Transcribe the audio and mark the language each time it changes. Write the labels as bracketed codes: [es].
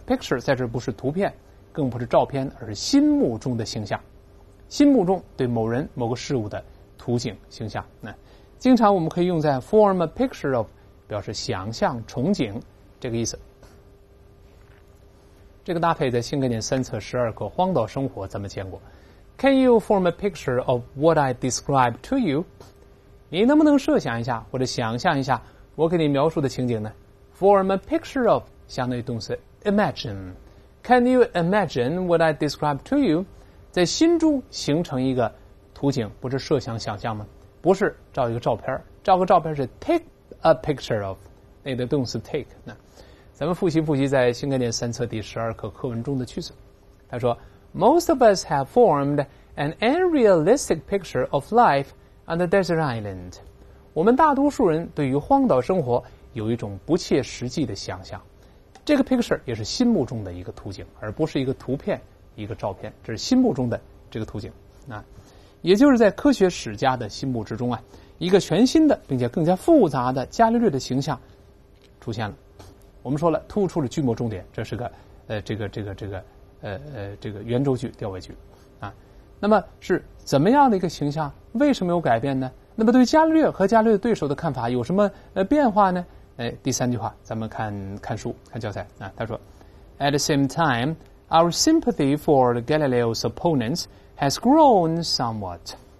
[zh] picture 在这不是图片，更不是照片，而是心目中的形象，心目中对某人某个事物的图景形象。那经常我们可以用在 [en] form a picture of [zh] 表示想象憧憬这个意思。这个搭配在新概念三册十二课荒岛生活咱们见过。 [en] Can you form a picture of what I describe to you? [zh] 你能不能设想一下或者想象一下我给你描述的情景呢？ [en] Form a picture of [zh] 相当于动词 imagine。 [en] Can you imagine what I describe to you? [zh] 在心中形成一个图景，不是设想想象吗？不是照一个照片，照个照片是 [en] take a picture of， [zh] 那个动词 take 呢。咱们复习复习在新概念三册第十二课课文中的句子。他说 [en] Most of us have formed an unrealistic picture of life on the desert island. [zh] 我们大多数人对于荒岛生活有一种不切实际的想象。这个 picture 也是心目中的一个图景，而不是一个图片一个照片，这是心目中的这个图景。那也就是在科学史家的心目之中啊，一个全新的并且更加复杂的伽利略的形象出现了。我们说了，突出了句末重点，这是个这个圆周句吊尾句啊。那么是怎么样的一个形象？为什么有改变呢？那么对伽利略和伽利略对手的看法有什么变化呢？第三句话，咱们看书看教材啊。他说 [en] ，At the same time, our sympathy for Galileo's opponents has grown somewhat.